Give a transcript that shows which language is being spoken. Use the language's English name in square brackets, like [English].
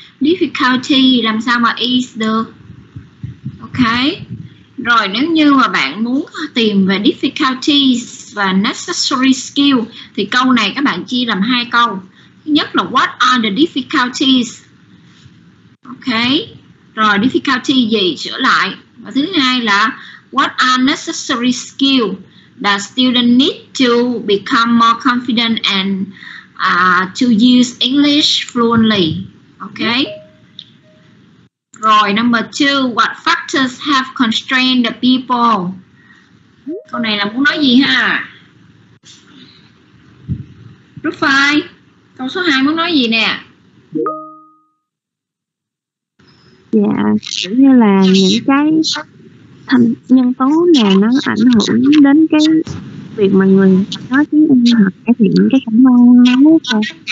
[Vietnamese] Difficulty làm sao mà is được? Ok. Rồi, nếu như mà bạn muốn tìm về difficulties và necessary skill thì câu này các bạn chia làm hai câu. Thứ nhất là [English] what are the difficulties? [Vietnamese] Ok. Rồi, difficulty gì trở lại? Và thứ hai là [English] what are necessary skill that student need to become more confident and to use English fluently? Ok. Rồi, number 2, what factors have constrained the people? [Vietnamese] Câu này là muốn nói gì ha? Group 5, câu số 2 muốn nói gì nè? Dạ, cũng như là những cái nhân tố nào nó ảnh hưởng đến cái việc mà người có tiếng Anh hoặc cải thiện cái khả năng nói thôi.